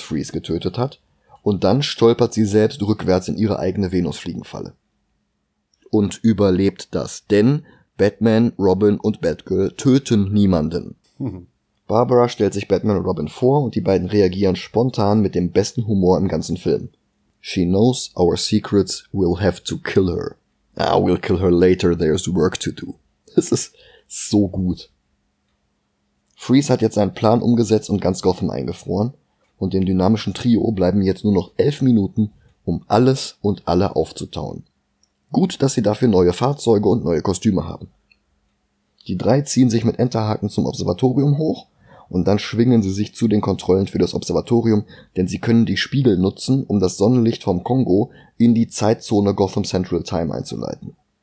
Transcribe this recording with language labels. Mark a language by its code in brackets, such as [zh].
[de] Freeze getötet hat, und dann stolpert sie selbst rückwärts in ihre eigene Venusfliegenfalle. Und überlebt das, denn Batman, Robin und Batgirl töten niemanden. Barbara stellt sich Batman und Robin vor und die beiden reagieren spontan mit dem besten Humor im ganzen Film. [en] She knows our secrets, we'll have to kill her. Ah, we'll kill her later, there's work to do. [de] Das ist so gut. Freeze hat jetzt seinen Plan umgesetzt und ganz Gotham eingefroren. Und dem dynamischen Trio bleiben jetzt nur noch 11 Minuten, um alles und alle aufzutauen. Gut, dass sie dafür neue Fahrzeuge und neue Kostüme haben. Die drei ziehen sich mit Enterhaken zum Observatorium hoch und dann schwingen sie sich zu den Kontrollen für das Observatorium, denn sie können die Spiegel nutzen, um das Sonnenlicht vom Kongo in die Zeitzone Gotham Central Time einzuleiten.